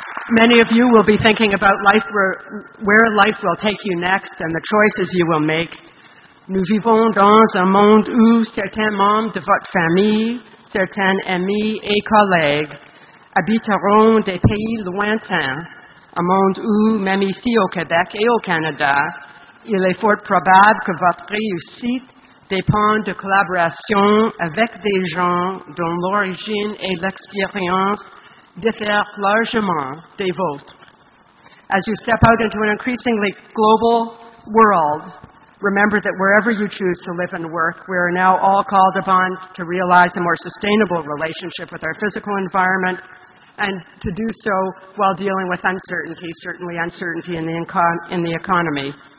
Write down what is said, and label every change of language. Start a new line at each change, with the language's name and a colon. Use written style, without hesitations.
English: Many of you will be thinking about life, where life will take you next and the choices you will make.
French: Nous vivons dans un monde où certains membres de votre famille, certains amis et collègues habiteront des pays lointains, un monde où, même ici au Québec et au Canada, il est fort probable que votre réussite dépend de collaboration avec des gens dont l'origine et l'expérience diffère largement des vôtres.
English: As you step out into an increasingly global world, remember that wherever you choose to live and work, we are now all called upon to realize a more sustainable relationship with our physical environment and to do so while dealing with uncertainty, certainly uncertainty in the economy.